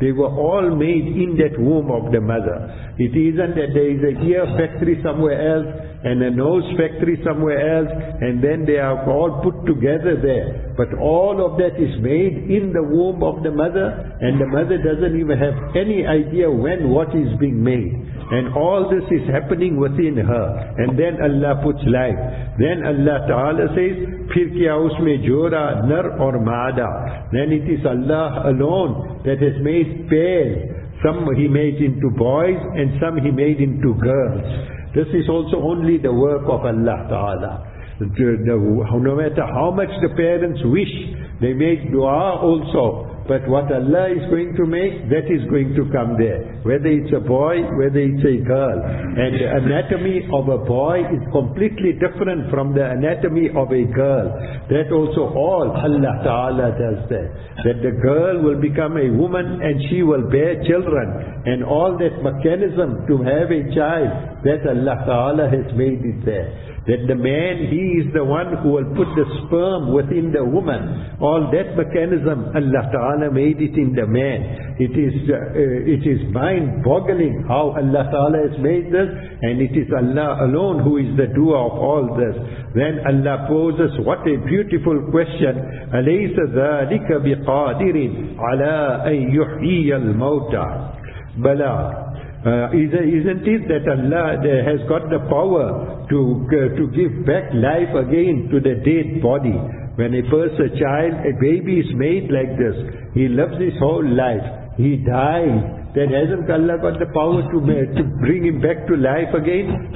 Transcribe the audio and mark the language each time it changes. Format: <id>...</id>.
<en>They were all made in that womb of the mother. It isn't that there is a ear factory somewhere else, and a nose factory somewhere else, and then they are all put together there. But all of that is made in the womb of the mother, and the mother doesn't even have any idea when what is being made. And all this is happening within her. And then Allah puts life. Then Allah Ta'ala says,</en> <ur>پھر کیا اس میں جورا نر اور مادا.</ur> <en>Then it is Allah alone that has made pairs. Some He made into boys, and some He made into girls. This is also only the work of Allah Ta'ala. No matter how much the parents wish, they make dua also. But what Allah is going to make, that is going to come there. Whether it's a boy, whether it's a girl. And the anatomy of a boy is completely different from the anatomy of a girl. That also all Allah Ta'ala does that. That the girl will become a woman and she will bear children. And all that mechanism to have a child, that Allah Ta'ala has made it there. That the man, he is the one who will put the sperm within the woman. All that mechanism, Allah Ta'ala made it in the man. It is mind-boggling how Allah Ta'ala has made this, and it is Allah alone who is the doer of all this. Then Allah poses, what a beautiful question,</en> <ar>أَلَيْسَ ذَلِكَ بِقَادِرٍ عَلَىٰ أَن يُحْيِيَ الْمَوْتَىٰ بَلَىٰ.</ar> <en>Isn't it that Allah has got the power to give back life again to the dead body? When a baby is made like this, he lives his whole life, he dies. Then hasn't Allah got the power to bring him back to life again?</en>